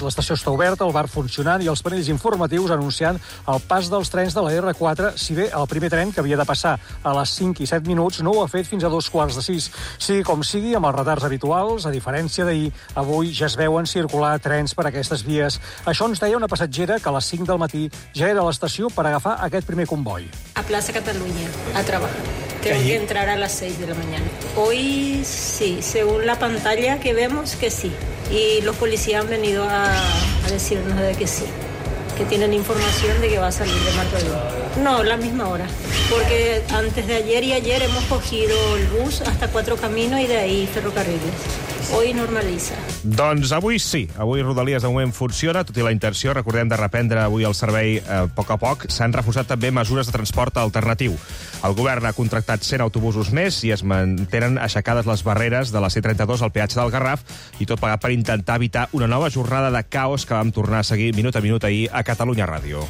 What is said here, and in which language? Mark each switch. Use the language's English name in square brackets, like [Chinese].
[Catalan] L'estació està oberta, el bar funcionant i els panells informatius anunciant el pas dels trens de la R4, si bé el primer tren, que havia de passar a les 5:07, no ho ha fet fins a 6:45. Sí, com sigui, amb els retards habituals, a diferència d'ahir, avui ja es veuen circular trens per aquestes vies. Això ens deia una passatgera que a les 5 del matí ja era a l'estació per agafar aquest primer comboi. A plaça Catalunya, a treballar. [Spanish] Tengo que entrar a las 6 de la mañana. Hoy sí, según la pantalla que vemos, que sí. Y los policías han venido a decirnos de que sí, que tienen información de que va a salir de Mataró. No, la misma hora, porque antes de ayer y ayer hemos cogido el bus hasta 4 Caminos y de ahí ferrocarriles. Hoy normaliza. [Catalan] Doncs avui sí. Avui Rodalies de moment funciona, tot i la intenció, recordem, de reprendre avui el servei a poc, s'han reforçat també mesures de transport alternatiu. El govern ha contractat 100 autobusos més i es mantenen aixecades les barreres de la C32 al peatge del Garraf, i tot pagat per intentar evitar una nova jornada de caos que vam tornar a seguir minut a minut ahir a Catalunya Ràdio.